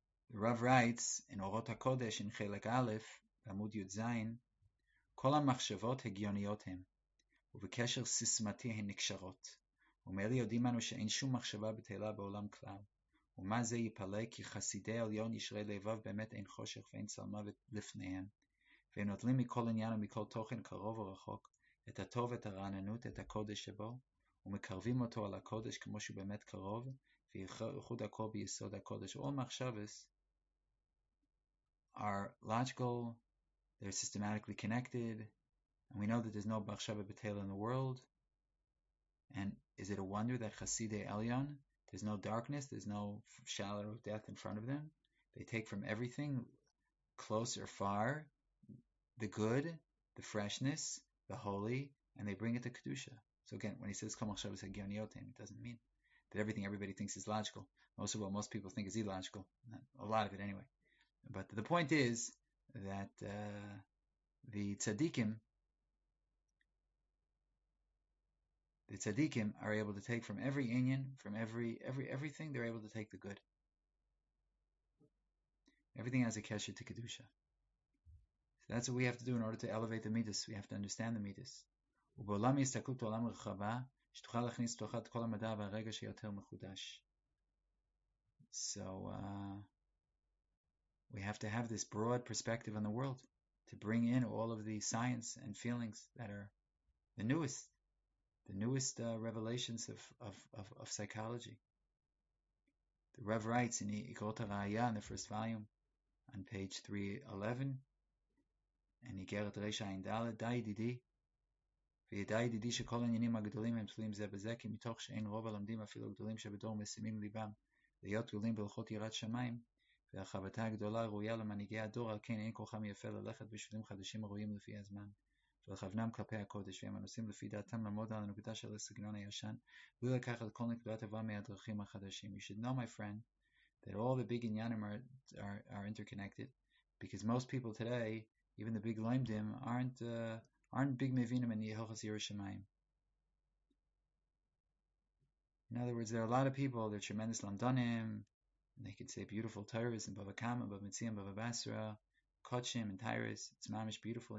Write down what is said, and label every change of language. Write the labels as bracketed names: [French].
[English] The Rav writes in Orot HaKodesh in Chelek Aleph, Amud Yud Zayin, [Hebrew] Kol ha-machshavot hegioniot hem, ubekesher sismati hen nikshavot, ומאלה יודעים אנו שאין שום מחשבה בתהילה בעולם כלל. ומה זה ייפלא כי חסידי עליון ישרי לבב באמת אין חושך ואין צל מוות לפניהם. והם נוטלים מכל עניין ומכל תוכן קרוב או רחוק, את הטוב, את הרעננות, את הקודש שבו, ומקרבים אותו על הקודש כמו שהוא באמת קרוב, ויחוד הכל ביסוד הקודש. [English] All machshavas are logical, they're systematically connected, and we know that there's no machshava b'tehila in the world. And is it a wonder that Chasidei Elyon, there's no darkness, there's no shadow of death in front of them? They take from everything, close or far, the good, the freshness, the holy, and they bring it to Kedusha. So again, when he says, [Hebrew] Kol machshavos hegioniotem, [English] it doesn't mean that everything everybody thinks is logical. Most of what most people think is illogical. A lot of it anyway. But the point is that the tzaddikim, the tzaddikim are able to take from every inyan, from everything, they're able to take the good. Everything has a kesher to Kedusha. So that's what we have to do in order to elevate the midas. We have to understand the midas. [Hebrew] ובעולם יסתכלות העולם רחבה, שתוכל להכניס תוך את כל המדע והרגע שיותר מחודש. [English] So, we have to have this broad perspective on the world to bring in all of the science and feelings that are the newest revelations of psychology. The Rev writes in Igorot HaRaya in the first volume on page 311, and [Hebrew] Igorot Reisha Ein Dalet, Da Yididi, וידעי ידידי שכל העניינים הגדולים הם תלויים זה בזה, כי מתוך שאין רוב הלומדים אפילו גדולים שבדור משימים ליבם להיות גדולים בהלכות יראת שמיים, והרחבתה הגדולה ראויה למנהיגי הדור, על כן אין כוחם יפה ללכת בשבילים חדשים הראויים לפי הזמן. ולכוונם כלפי הקודש, והם הנושאים לפי דעתם לעמוד על הנקודה של הסגנון הישן, בלי לקחת כל נקודת עבר מהדרכים החדשים. [English] You should know, my friend, that all the big inyanim are interconnected, because most people today, even the big loimdim, aren't big mevinim in Yehochas Yerushamayim. In other words, there are a lot of people, they're tremendous lamdanim, and they can say beautiful Torahs, and Bava Kama, Bava Metzia, Bava Basra, Kochim and Tyrus, it's mamish beautiful.